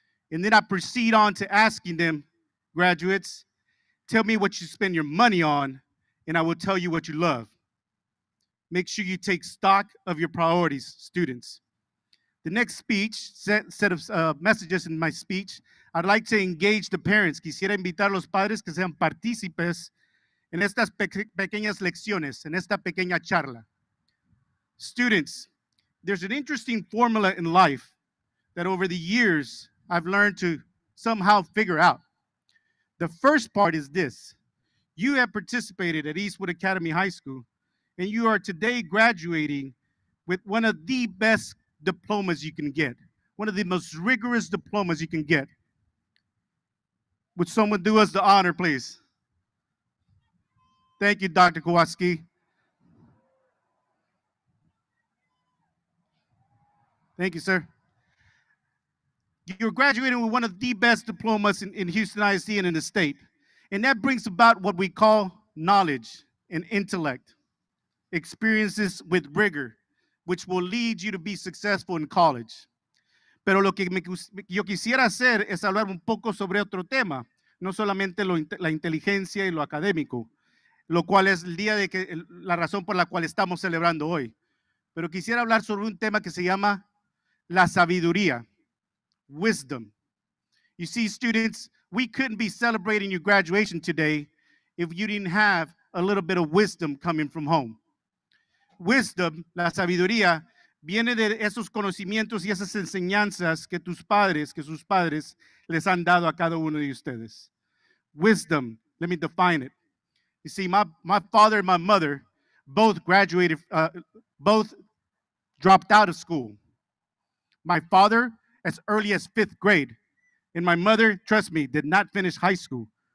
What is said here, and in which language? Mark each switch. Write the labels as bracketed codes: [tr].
[en] And then I proceed on to asking them, graduates, tell me what you spend your money on and I will tell you what you love. Make sure you take stock of your priorities, students. The next speech, set of messages in my speech, I'd like to engage the parents. [es] Quisiera invitar a los padres que sean partícipes en estas pequeñas lecciones, en esta pequeña charla. [en] Students, there's an interesting formula in life that over the years I've learned to somehow figure out. The first part is this. You have participated at Eastwood Academy High School, and you are today graduating with one of the best diplomas you can get, one of the most rigorous diplomas you can get. Would someone do us the honor, please? Thank you, Dr. Kowalski. Thank you, sir. You're graduating with one of the best diplomas in Houston ISD and in the state. And that brings about what we call knowledge and intellect, experiences with rigor, which will lead you to be successful in college. [es] Pero lo que yo quisiera hacer es hablar un poco sobre otro tema, no solamente la inteligencia y lo académico, lo cual es el día de que la razón por la cual estamos celebrando hoy. Pero quisiera hablar sobre un tema que se llama la sabiduría, wisdom. [en] You see, students, we couldn't be celebrating your graduation today if you didn't have a little bit of wisdom coming from home. [es] Wisdom, la sabiduría, viene de esos conocimientos y esas enseñanzas que tus padres, que sus padres, les han dado a cada uno de ustedes. [en] Wisdom, let me define it. You see, my father and my mother both graduated, both dropped out of school. my father as early as fifth grade, and my mother, trust me, did not finish high school.